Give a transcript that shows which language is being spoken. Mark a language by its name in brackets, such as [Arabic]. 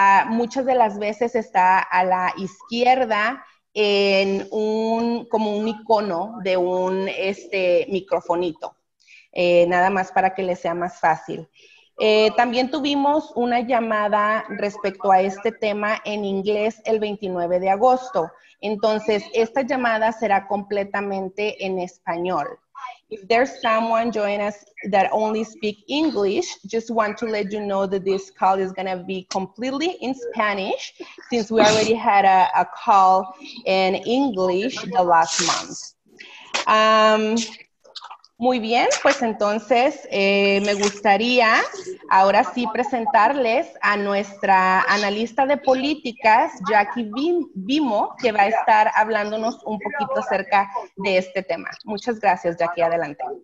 [Spanish] Muchas de las veces está a la izquierda en como un icono de un microfonito, nada más para que les sea más fácil. También tuvimos una llamada respecto a este tema en inglés el 29 de agosto. Entonces, esta llamada será completamente en español. [English] If there's someone joining us that only speak English, just want to let you know that this call is going to be completely in Spanish since we already had a call in English the last month. [Spanish] Muy bien, pues entonces me gustaría ahora sí presentarles a nuestra analista de políticas, Jackie Bimo, que va a estar hablándonos un poquito acerca de este tema. Muchas gracias, Jackie, adelante.